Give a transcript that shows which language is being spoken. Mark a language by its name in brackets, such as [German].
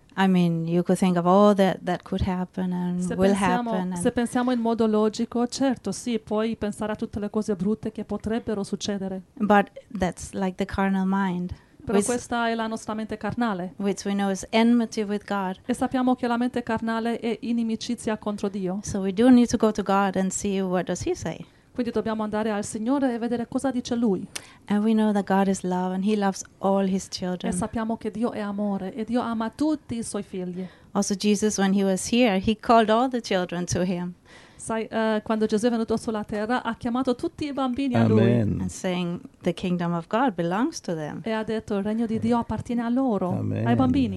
[English] I mean, you could think of all that could happen and will happen. [Italian] Se pensiamo in modo logico, certo, sì, puoi pensare a tutte le cose brutte che potrebbero succedere. [English] But that's like the carnal mind, [Italian] Però questa è la nostra mente carnale. [English] which we know is enmity with God. [Italian] E sappiamo che la mente carnale è inimicizia contro Dio. [English] So we do need to go to God and see what does he say. [Italian] Quindi dobbiamo andare al Signore e vedere cosa dice Lui. [English] And we know that God is love and he loves all his [Italian] E [English] children. [Italian] sappiamo che Dio è amore e Dio ama tutti i suoi figli. [English] Also Jesus, when he was here, he called all the children to him. [Italian] Sai, quando Gesù è venuto sulla terra, ha chiamato tutti i bambini a Lui. Amen. E [English] Saying the kingdom of God belongs to them. [Italian] ha detto, il regno di Dio appartiene a loro, ai bambini.